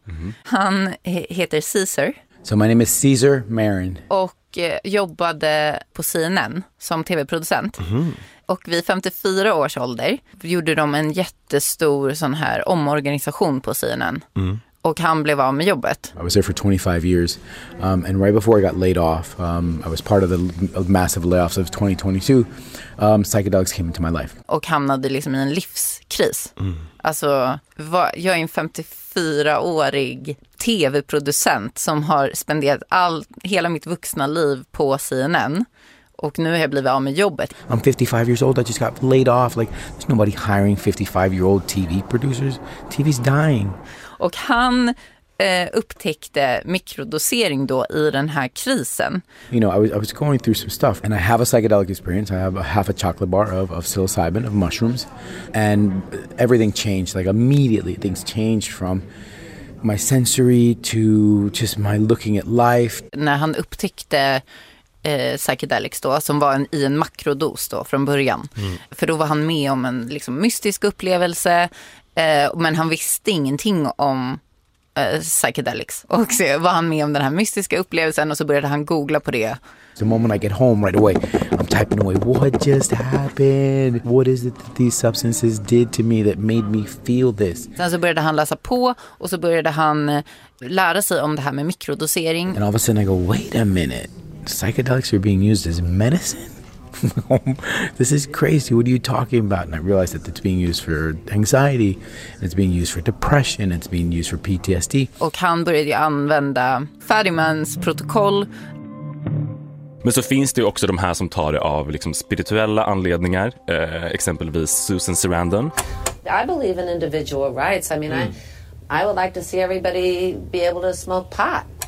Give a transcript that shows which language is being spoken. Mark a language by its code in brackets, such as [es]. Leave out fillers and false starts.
[sv] Mm. Han heter Caesar. [en] So my name is Caesar Marin. [sv] Jobbade på CNN som tv-producent. Mm. Och vid 54 års ålder gjorde de en jättestor sån här omorganisation på CNN. Mm. Och han blev av med jobbet. [en] I was there for 25 years. And right before I got laid off, I was part of the massive layoffs of 2022. Psychedelics came into my life. [sv] Och hamnade liksom i en livskris. Mm. Alltså, jag är en 54-årig tv-producent som har spenderat hela mitt vuxna liv på CNN. Och nu har jag blivit av med jobbet. [en] I'm 55 years old. I just got laid off. Like, there's nobody hiring 55-year-old TV producers. TV's dying. [sv] Och han upptäckte mikrodosering då i den här krisen. [en] You know, I was going through some stuff and I have a psychedelic experience. I have a half a chocolate bar of psilocybin, of mushrooms, and everything changed, like immediately things changed from my sensory to just my looking at life. [sv] När han upptäckte psychedelics då, som var i en makrodos då från början. Mm. För då var han med om en liksom mystisk upplevelse, men han visste ingenting om psychedelics. Och så var han med om den här mystiska upplevelsen och så började han googla på det. [en] The moment I get home right away, I'm typing away, what just happened? What is it that these substances did to me that made me feel this? [sv] Sen så började han läsa på och så började han lära sig om det här med mikrodosering. [en] And all of a sudden I go, wait a minute, psychedelics are being used as medicine? This is crazy. What are you talking about? And I realized that it's being used for anxiety, it's being used for depression, it's being used for PTSD. [sv] Och han började använda Fadimans protokoll. Men så finns det ju också de här som tar det av liksom spirituella anledningar, exempelvis Susan Sarandon. [en] I believe in individual rights. I mean, I would like to see everybody be able to smoke pot.